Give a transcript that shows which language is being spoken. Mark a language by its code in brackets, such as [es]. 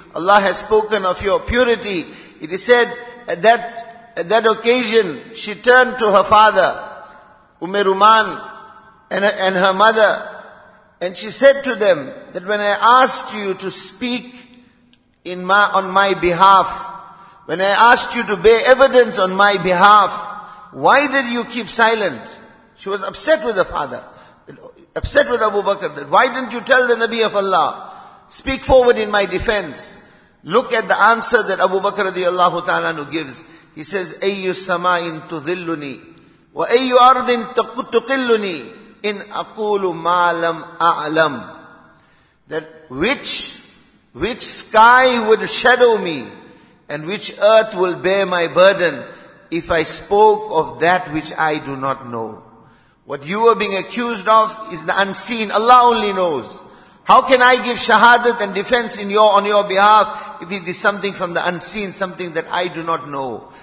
[en] Allah has spoken of your purity. It is said at that occasion, she turned to her father, Umme Ruman, and her mother, and she said to them that when I asked you to speak on my behalf, when I asked you to bear evidence on my behalf, why did you keep silent? She was upset with her father, upset with Abu Bakr, that why didn't you tell the Nabi of Allah, speak forward in my defense? Look at the answer that Abu Bakr radiallahu ta'ala gives. He says, [ar] أَيُّ سَمَاءٍ تُذِلُّنِي وَأَيُّ أَرْضٍ تُقِلُّنِي إِنْ أَقُولُ مَا لَمْ أَعْلَمْ. [en] That which sky would shadow me and which earth will bear my burden if I spoke of that which I do not know? What you are being accused of is the unseen. Allah only knows. How can I give shahadat and defense on your behalf if it is something from the unseen, something that I do not know?